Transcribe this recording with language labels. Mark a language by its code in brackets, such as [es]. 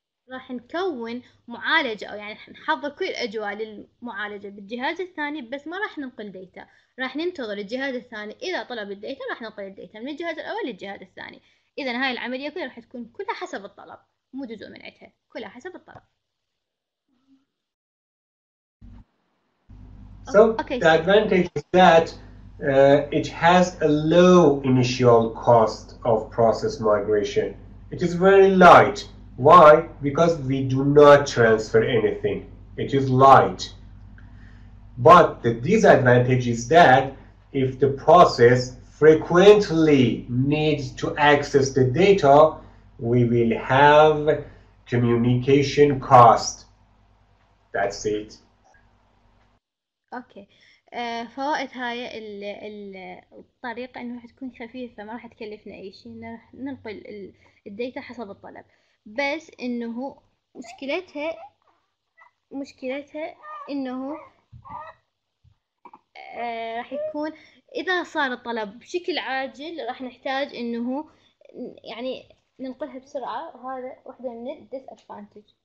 [ar] راح نكون معالجة، أو يعني نحضر كل الأجواء للمعالجة بالجهاز الثاني، بس ما راح ننقل data. راح ننتظر الجهاز الثاني، إذا طلب الداتا راح ننقل الداتا من الجهاز الأول للجهاز الثاني. إذا هاي العملية كلها راح تكون كلها حسب الطلب، مو جزء من عتها، كلها حسب الطلب. [en] So okay. The advantage is that it has a low initial cost of process migration. It is very light. Why? Because we do not transfer anything. It is light. But the disadvantage is that if the process frequently needs to access the data, we will have communication cost. That's it. Okay. [ar] فوائد هاي الطريقة انه راح تكون خفيفة، ما راح تكلفنا اي شيء، راح ننقل الداتا حسب الطلب. بس انه مشكلتها انه راح يكون اذا صار الطلب بشكل عاجل راح نحتاج انه يعني ننقلها بسرعة، وهذا واحدة من الديس ادفانتج.